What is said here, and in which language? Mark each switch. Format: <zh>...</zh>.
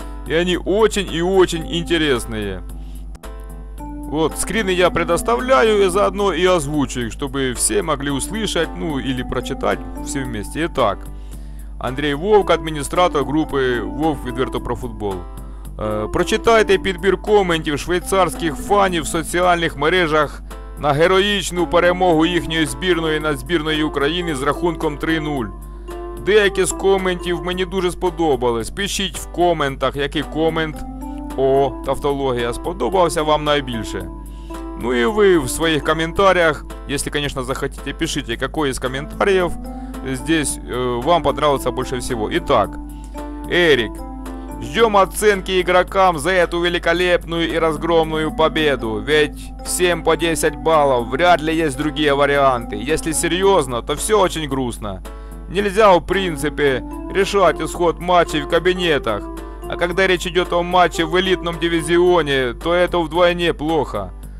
<ru>И они очень и очень интересные. Вот, скрины я предоставляю и заодно и озвучу их, чтобы все могли услышать, ну или прочитать все вместе. Итак, Андрей Вовк, администратор группы «Вовк Відверто про футбол».</ru> <uk>Прочитайте підбір коментів швейцарських фанів в соціальних мережах на героїчну перемогу їхньої збірної над збірною України з рахунком 3-0. Деякі з коментів мені дуже сподобались. Пишіть в коментах, який комент о тавтологія сподобався вам найбільше. Ну і ви в своїх коментарях, якщо, звісно, захочете, пишіть, який із коментарів</uk> <ru>здесь вам понравился</ru> <uk>більше всього. І так, Ерік.</uk> <ru>Ждем оценки игрокам за эту великолепную и разгромную победу, ведь 7 по 10 баллов, вряд ли есть другие варианты. Если серьезно, то все очень грустно. Нельзя в принципе решать исход матчей в кабинетах, а когда речь идет о матче в элитном дивизионе, то это вдвойне плохо.</ru>